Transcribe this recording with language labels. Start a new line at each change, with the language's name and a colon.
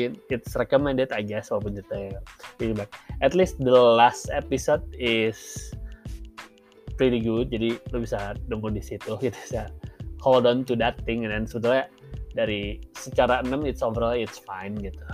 English: It's recommended, I guess,
Indonesian: walaupun ceritanya
English: pretty bad. At least the last episode is pretty good.
Indonesian: Jadi lu bisa nunggu di situ gitu ya.
English: Hold on to that thing, and then
Indonesian: sebetulnya dari secara
English: 6 it's overall it's fine
Indonesian: gitu.